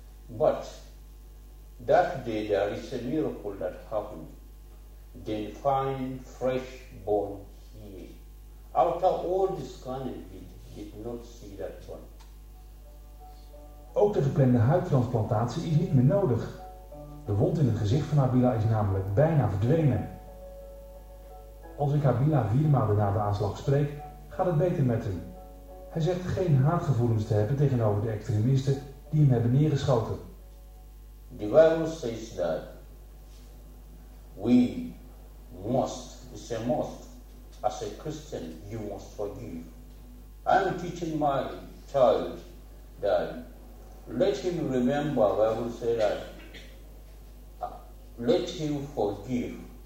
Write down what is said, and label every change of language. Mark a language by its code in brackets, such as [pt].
[en] But that day there is a miracle that happened. They find fresh bone here. After all the scanning, he did not see that one. [nl] Ook de geplande huidtransplantatie is niet meer nodig. De wond in het gezicht van Habila is namelijk bijna verdwenen. Als ik Habila 4 maanden na de aanslag spreek, gaat het beter met hem. Hij zegt geen haatgevoelens te hebben tegenover de extremisten die hem hebben neergeschoten. [en] The Bible says that we must, it's a must, as a Christian, you must forgive. I'm teaching my child that let him remember, the Bible says that let him forgive.